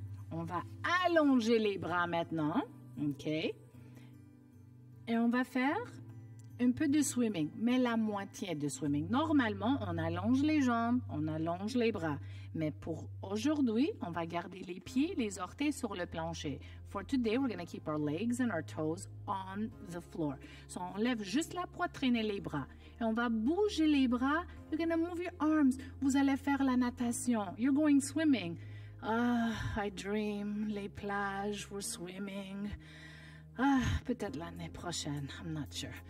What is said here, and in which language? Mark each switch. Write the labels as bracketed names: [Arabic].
[French] On va allonger les bras maintenant. OK. Et on va faire un peu de swimming, mais la moitié de swimming. Normalement, on allonge les jambes, on allonge les bras. Mais pour aujourd'hui, on va garder les pieds, les orteils sur le plancher. [English] For today, we're going to keep our legs and our toes on the floor. [French] So, on lève juste la poitrine et les bras. Et on va bouger les bras. [English] You're going to move your arms. [French] Vous allez faire la natation. [English] You're going swimming. Ah, I dream. [French] Les plages, [English] we're swimming. [French] Ah, peut-être l'année prochaine, [English] I'm not sure.